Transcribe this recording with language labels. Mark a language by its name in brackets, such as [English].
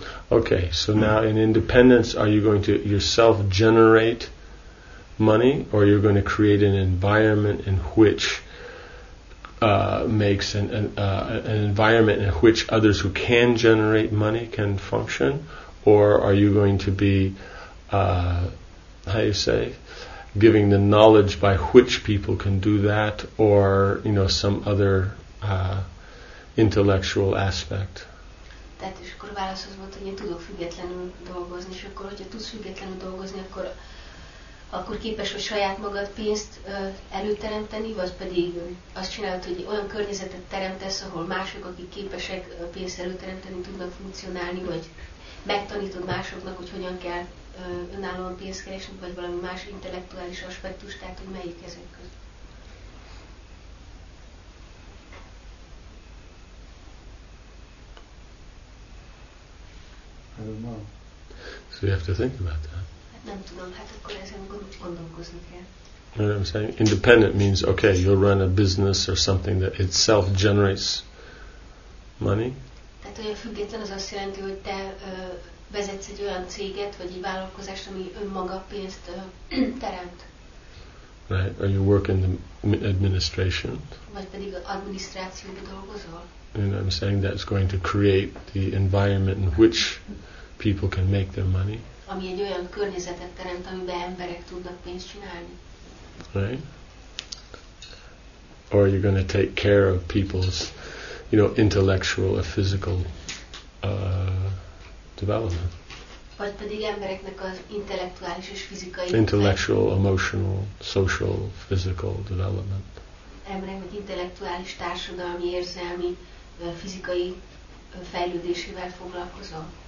[English] Okay, so now in independence, are you going to yourself generate money, or you're going to create an environment in which makes an environment in which others who can generate money can function, or are you going to be how you say, giving the knowledge by which people can do that, or you know some other intellectual aspect? [Hungarian] Tehát és akkor a válasz az volt, hogy én tudok függetlenül dolgozni, és akkor, hogyha tudsz függetlenül dolgozni, akkor képes vagy saját magad pénzt előteremteni, vagy pedig azt csinálod, hogy olyan környezetet teremtesz, ahol mások, akik képesek pénzt előteremteni, tudnak funkcionálni, vagy megtanítod másoknak, hogy hogyan kell önállóan pénzt keresni, vagy valami más intellektuális aspektus, tehát hogy melyik ezek között. [English] So you have to think about that. You know what I'm saying? Independent means, okay, you'll run a business or something that itself generates money. [Hungarian] Tehát olyan független az azt jelenti, hogy te vezetsz egy olyan céget, vagy egy vállalkozást, ami önmaga pénzt teremt. [English] Right, or you work in the administration. [Hungarian] Vagy pedig adminisztrációban dolgozol. [English] You know what I'm saying? That's going to create the environment in which people can make their money. [Hungarian] Ami egy olyan környezetet teremt, amiben emberek tudnak pénzt csinálni. [English] Right? Or you're going to take care of people's, you know, intellectual or physical development. [Hungarian] Vagy pedig embereknek az intellektuális és fizikai. [English] Intellectual, emotional, social, physical development. [Hungarian] emberek egy intellektuális, társadalmi, érzelmi, fizikai fejlődésével foglalkozol?